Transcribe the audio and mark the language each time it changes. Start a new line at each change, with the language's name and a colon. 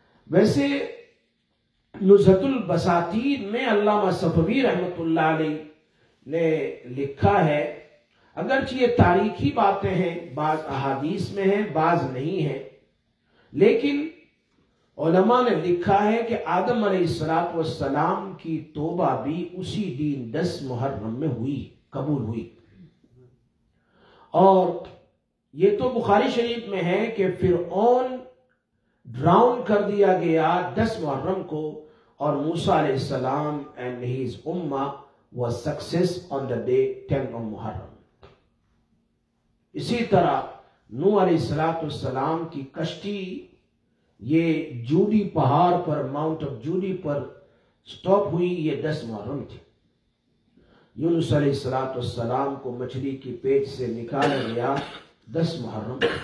Urdu: ویسے نزہت البساتین میں علامہ صفوی رحمت اللہ علیہ نے لکھا ہے اگرچہ یہ تاریخی باتیں ہیں بعض احادیث میں ہیں بعض نہیں ہیں لیکن علماء نے لکھا ہے کہ آدم علیہ الصلوۃ والسلام کی توبہ بھی اسی دن 10 محرم میں ہوئی قبول ہوئی اور یہ تو بخاری شریف میں ہے کہ فرعون ڈراؤن کر دیا گیا 10 محرم کو اور موسیٰ علیہ السلام
English: and his ummah was success on the day 10 of Muharram.
Urdu: اسی طرح نوح علیہ السلام کی کشتی یہ جودی پہاڑ پر
English: mount of Judi
Urdu: per stop ہوئی یہ 10 محرم تھی. یونس علیہ السلام کو مچھلی کی پیٹ سے نکالا گیا 10 محرم.